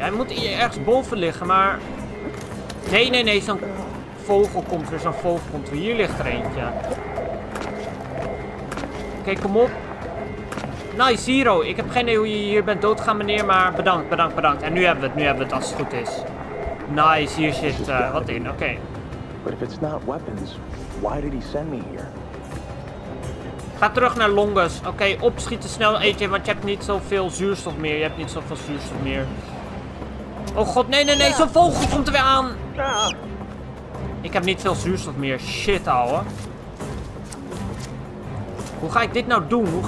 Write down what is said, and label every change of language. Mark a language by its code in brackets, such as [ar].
[nl] Hij moet hier ergens boven liggen, maar Nee. Zo'n vogel komt weer. Hier ligt er eentje. Oké, kom op. Nice, Zero. Ik heb geen idee hoe je hier bent doodgaan, meneer, maar bedankt. En nu hebben we het als het goed is. Nice, hier zit wat in. Oké. [en] But if it's not weapons, why did he send me here? [nl] Ga terug naar Longus. Oké, opschieten snel, AJ, want je hebt niet zoveel zuurstof meer. Oh god, nee. Zo'n vogel komt er weer aan. Ik heb niet veel zuurstof meer. Shit, ouwe. Hoe ga ik dit nou doen?